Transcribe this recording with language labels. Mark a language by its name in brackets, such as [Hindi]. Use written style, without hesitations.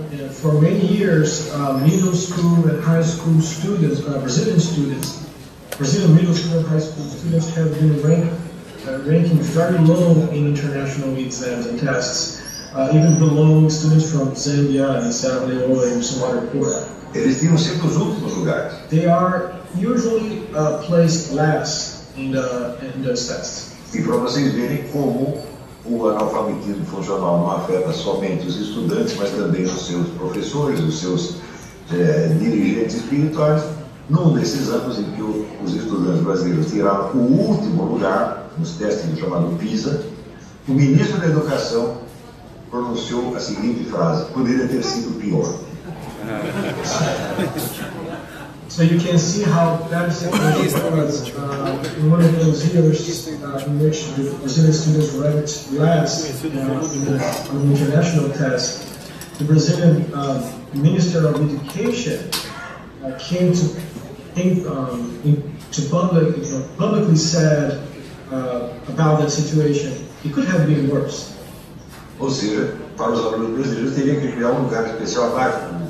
[English] For many years, middle school and high school students, Brazilian students, Brazilian middle school and high school students have been ranking very low in international exams and tests, even below students from Zambia and Sierra Leone and some other poor. [Portuguese] Eles tinham sempre os últimos lugares. [English] They are usually placed last in the tests. [Portuguese] E para vocês verem como o analfabetismo funcional não afeta somente os estudantes, mas também os seus professores, os seus dirigentes espirituais. Num desses anos em que os estudantes brasileiros tiraram o último lugar nos testes chamado PISA, o ministro da Educação pronunciou a seguinte frase: poderia ter sido pior. [English] So you can see how bad the situation was in one of those years in which the Brazilian students ranked last on the international test. The Brazilian Minister of Education came to publicly said about that situation, it could have been worse. [Portuguese] Ou seja, para os alunos brasileiros teria que criar um lugar especial abaixo.